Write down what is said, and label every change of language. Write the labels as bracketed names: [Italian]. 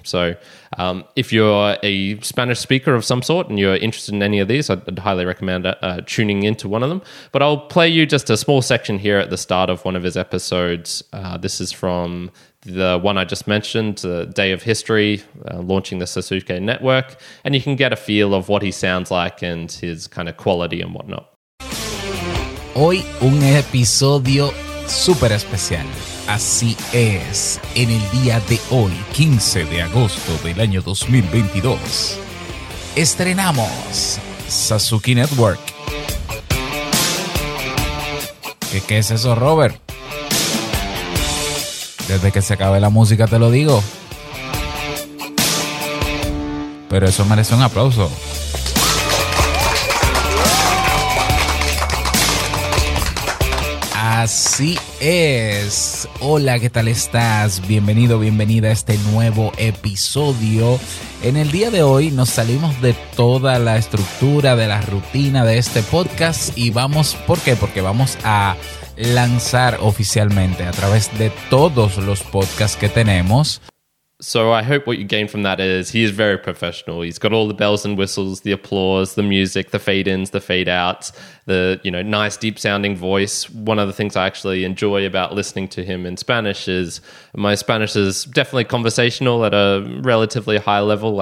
[English] So if you're a Spanish speaker of some sort and you're interested in any of these, I'd highly recommend tuning into one of them. But I'll play you just a small section here at the start of one of his episodes. This is from the one I just mentioned, Day of History, launching the Sasuke Network. And you can get a feel of what he sounds like and his kind of quality and whatnot. [Spanish] Hoy un episodio súper especial. Así es, en el día de hoy, 15 de agosto del año 2022, estrenamos Sasuke Network. ¿Qué es eso, Robert? Desde que se acabe la música te lo digo. Pero eso merece un aplauso. Así es. Hola, ¿qué tal estás? Bienvenido, bienvenida a este nuevo episodio. En el día de hoy nos salimos de toda la estructura, de la rutina de este podcast y vamos, ¿por qué? Porque vamos a lanzar oficialmente a través de todos los podcasts que tenemos [English] So I hope what you gain from that is he is very professional. He's got all the bells and whistles, the applause, the music, the fade-ins, the fade-outs, the, you know, nice deep-sounding voice. One of the things I actually enjoy about listening to him in Spanish is my Spanish is definitely conversational at a relatively high level.